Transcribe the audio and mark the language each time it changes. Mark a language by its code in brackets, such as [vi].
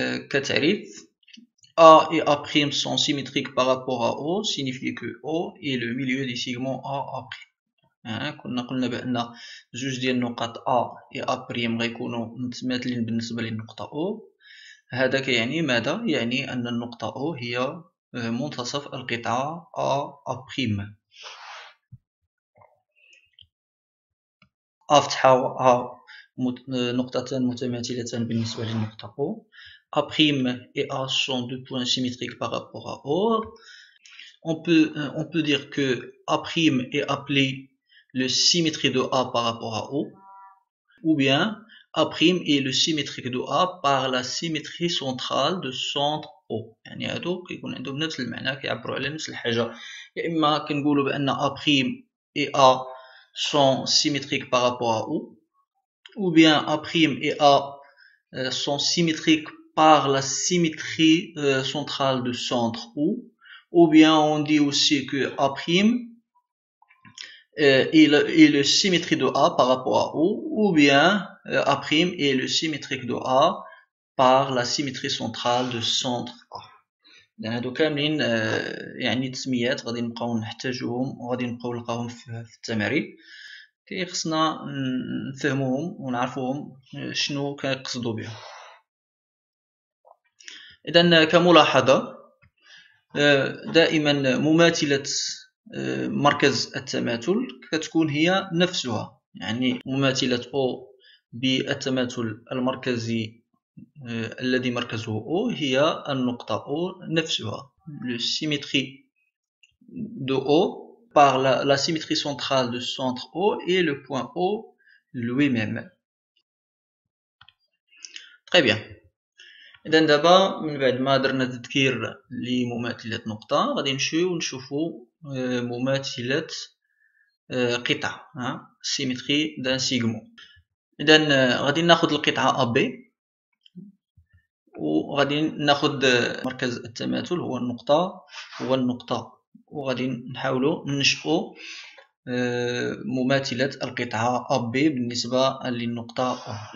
[fr] كتعريف، A et A prime sont symétriques par rapport à O signifie que O est le milieu du segment A A prime. [ar] كنا قلنا بان جوج ديال النقط [fr] A et A prime [ar] غيكونوا متماثلين بالنسبه للنقطه O. هذا كيعني ماذا؟ يعني ان النقطه O هي منتصف القطعه A A prime. A فتحة و A نقطتان متماثلتان بالنسبة للنقطة O. [fr] A prime et A sont deux points symétriques par rapport à O. On peut dire que A prime est appelé le symétrique de A par rapport à O. Ou bien A prime est le symétrique de A par la symétrie centrale de centre O. [ar] يعني هادو كيكون عندهم نفس المعنى، كيعبروا على نفس الحاجة. يا إما كنقولوا بأن [fr] A prime et A sont symétriques par rapport à O, ou bien A' et A sont symétriques par la symétrie centrale de centre O, ou bien on dit aussi que A' est le symétrique de A par rapport à O, ou bien A' est le symétrique de A par la symétrie centrale de centre A. [ar] لان هادو كاملين يعني تسميات غادي نبقاو نحتاجوهم وغادي نبقاو نلقاوهم في التمارين، كي خصنا نفهموهم ونعرفوهم شنو كيقصدوا بهم. اذا كملاحظه، دائما مماثله مركز التماثل كتكون هي نفسها، يعني مماثله او بالتماثل المركزي الذي مركزه O هي النقطة O نفسها. [fr] Le symétrie de O par la symétrie centrale de centre O et le point O lui-même. Très bien. [ar] إذن دابا من بعد ما درنا تذكير لمماثلة نقطة، غادي نمشيو نشوفو مماثلة قطعة، [fr] سيمتري دان سيغمون. [ar] إذن غادي ناخد القطعة AB، وغادي ناخذ مركز التماثل هو النقطة، وغادي نحاولوا ننشئوا مماثلة القطعة AB بالنسبة للنقطة O.